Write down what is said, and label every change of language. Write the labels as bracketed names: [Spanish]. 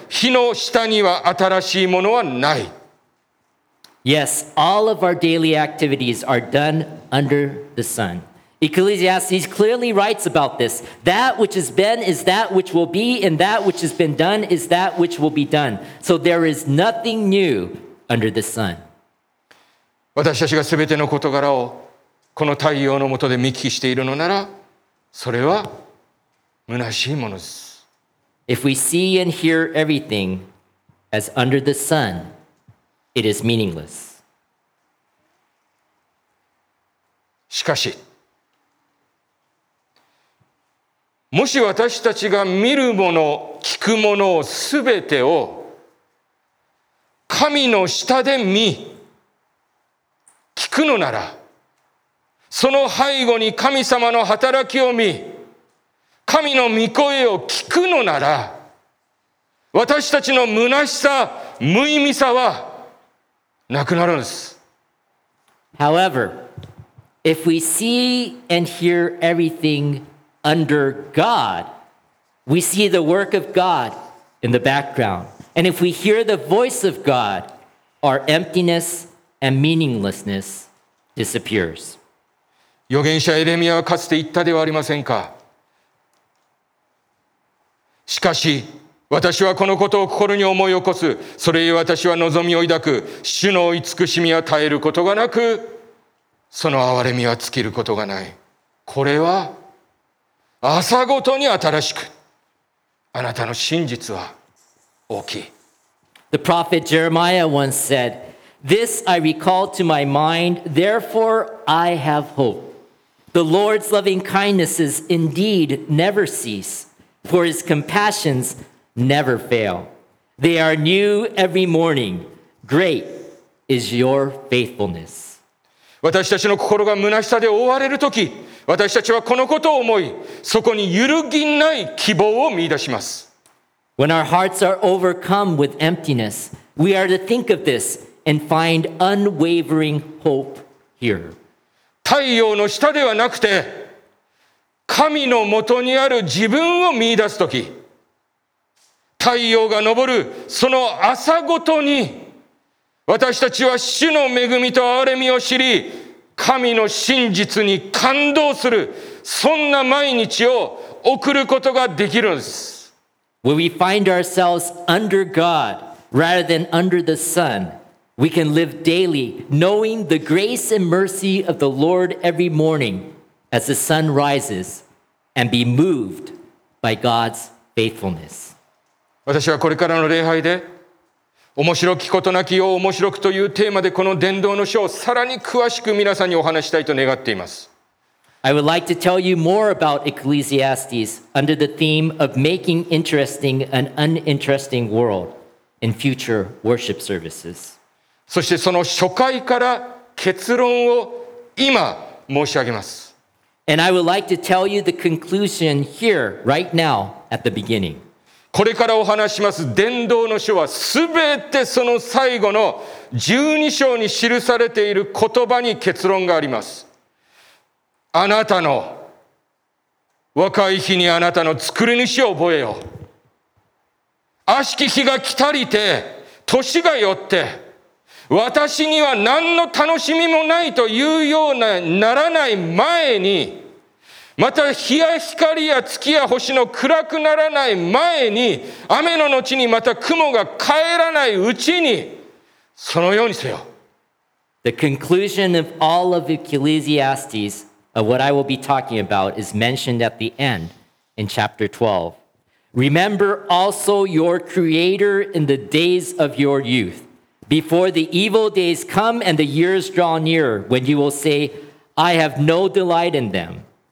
[Japanese] 日の下には新しいものはない。 [English] Yes, all of our daily activities are done under the sun. Ecclesiastes clearly writes about this. That which has been is that which will be, and that which has been done is that which will be done. So there is nothing new under the sun. [Japanese] 私たちがすべての事柄をこの太陽の下で見聞きしているのなら、それは虚しいものです。 [English] If we see and hear everything as under the sun, it is meaningless. [Japanese] しかし、もし私たちが見るもの、聞くものを全てを神の下で見、聞くのなら、その背後に神様の働きを見、神の御声を聞くのなら、私たちの虚しさ、無意味さはなくなるんです。 [English] However, if we see and hear everything under God, we see the work of God in the background. And if we hear the voice of God, our emptiness and meaninglessness disappears. [Japanese] 預言者エレミアはかつて言ったではありませんか。しかし私はこのことを心に思い起こす。それゆえ私は望みを抱く。主の慈しみは絶えることがなく、その憐れみは尽きることがない。これは朝ごとに新しく、あなたの真実は大きい。 [English] The prophet Jeremiah once said, This I recall to my mind, therefore I have hope. The Lord's loving kindnesses indeed never cease, for his compassions never fail. They are new every morning. Great is your faithfulness. [Japanese] 私たちの心が虚しさで覆われるとき、私たちはこのことを思い、そこに揺るぎない希望を見出します。 [English] When our hearts are overcome with emptiness, we are to think of this and find unwavering hope here. [Japanese] 太陽の下ではなくて、神のもとにある自分を見出すとき、太陽が昇るその朝ごとに、私たちは主の恵みと憐れみを知り、神の真実に感動する、そんな毎日を送ることができるんです。 [English] When we find ourselves under God rather than under the sun, we can live daily knowing the grace and mercy of the Lord every morning as the sun rises and be moved by God's faithfulness. [Japanese] 私はこれからの礼拝で、面白きことなきよう面白くというテーマでこの伝道の書をさらに詳しく皆さんにお話したいと願っています。 [English] I would like to tell you more about Ecclesiastes under the theme of making interesting an uninteresting world in future worship services. [Japanese] そしてその初回から結論を今申し上げます。 [English] And I would like to tell you the conclusion here, right now, at the beginning. [Japanese] これからお話します伝道の書は、すべてその最後の12章に記されている言葉に結論があります。あなたの若い日にあなたの作り主を覚えよ。悪しき日が来たりて、年が寄って、私には何の楽しみもないというようなならない前に、また日や光や月や星の暗くならない前に、雨の後にまた雲が帰らないうちに、そのようにせよ。 [English] The conclusion of all of Ecclesiastes of what I will be talking about is mentioned at the end in chapter 12. Remember also your creator in the days of your youth, before the evil days come and the years draw near, when you will say, I have no delight in them.